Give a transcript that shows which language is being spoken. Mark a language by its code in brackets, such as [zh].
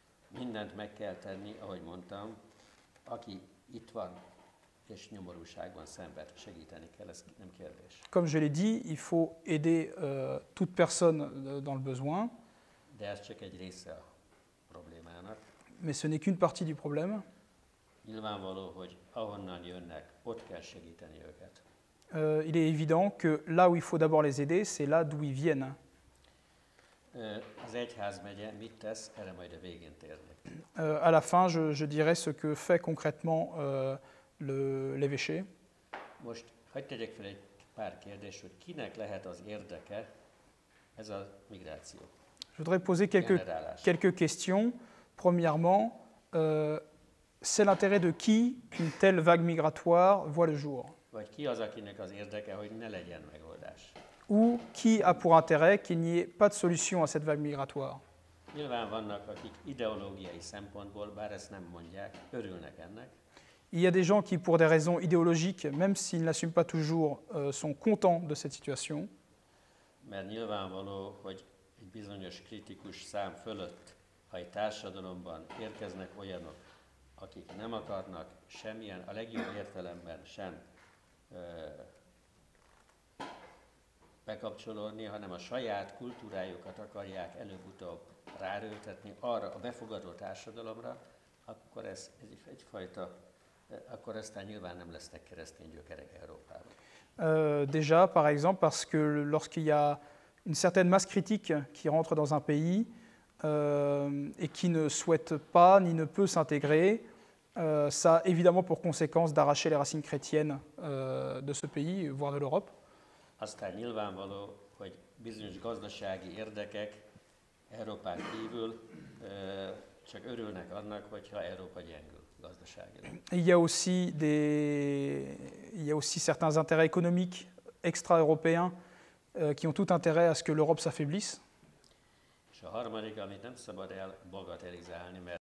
[hu] Mindent meg kell tenni, ahogy mondtam, aki itt van és nyomorúságban szenved, segíteni kell, ez nem kérdés. [fr] Comme je l'ai dit, il faut aider toute personne dans le besoin. [hu] De ez csak egy része a problémának. [fr] Mais ce n'est qu'une partie du problème. [hu] Nyilvánvaló, hogy ahonnan jönnek, ott kell segíteni őket. [fr] Il est évident que là où il faut d'abord les aider, c'est là d'où ils viennent. [hu] Az egyház megye mit tesz, erre majd a végén térnek. [fr] À la fin, je dirais ce que fait concrètement l'évêché. [hu] Most hagyd tegyek fel egy pár kérdést, hogy kinek lehet az érdeke ez a migráció. [fr] Je voudrais poser quelques questions. Premièrement, c'est l'intérêt de qui une telle vague migratoire voit le jour? [hu] Vagy ki az, akinek az érdeke, hogy ne legyen megoldás? [fr] Ou qui a pour intérêt qu'il n'y ait pas de solution à cette vague migratoire? [hu] Nyilván vannak, akik ideológiai szempontból, bár ezt nem mondják, örülnek ennek. [fr] Il y a des gens qui, pour des raisons idéologiques, même s'ils n'assument pas toujours, sont contents de cette situation. [hu] Mert nyilvánvaló, hogy egy bizonyos kritikus szám fölött, ha egy társadalomban érkeznek olyanok, akik nem akarnak semmilyen, a legjobb értelemben sem bekapcsolódni, hanem a saját kultúrájukat akarják előbb-utóbb ráerőltetni arra a befogadó társadalomra, akkor ez egyfajta, akkor aztán nyilván nem lesznek keresztény gyökerek Európában. [fr] Déjà, par exemple, parce que lorsqu'il y a une certaine masse critique qui rentre dans un pays et qui ne souhaite pas ni ne peut s'intégrer, ça a évidemment pour conséquence d'arracher les racines chrétiennes de ce pays, voire de l'Europe. [hu] Aztán nyilvánvaló, hogy bizonyos gazdasági érdekek Európán kívül csak örülnek annak, hogyha Európa gyengül gazdaságilag. [fr] Il y a aussi certains intérêts économiques extra-européens qui ont tout intérêt à ce que l'Europe s'affaiblisse. [hu] A harmadik, amit nem szabad elbagatellizálni, mert...